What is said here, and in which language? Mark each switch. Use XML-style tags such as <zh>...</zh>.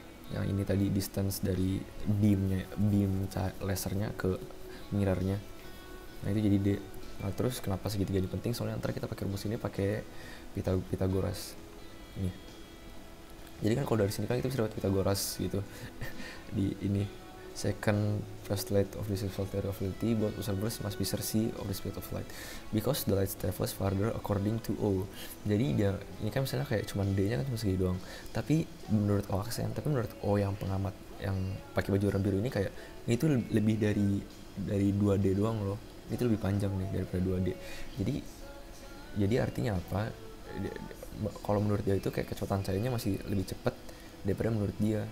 <id>Yang ini tadi distance dari beamnya beam lasernya ke mirrornya. Nah itu jadi D. Nah terus kenapa segitiga ini penting? Soalnya nanti kita pakai rumus ini pakai Pythagoras. Ini. Jadi kan kalau dari sini kan kita bisa dapat Pythagoras gitu. Di ini</id> <en>second postulate of the special theory of relativity, both observers must be certain of the speed of light because the light travels farther according to O.</en> <id>Jadi dia ini kan misalnya kayak cuman D-nya kan cuma segini doang. Tapi menurut O aksen, tapi menurut O yang pengamat yang pakai baju warna biru ini kayak itu lebih dari 2D doang loh. Itu lebih panjang nih daripada 2D. Jadi artinya apa? Kalau menurut dia itu kayak kecepatan cahayanya masih lebih cepat daripada menurut dia.</id>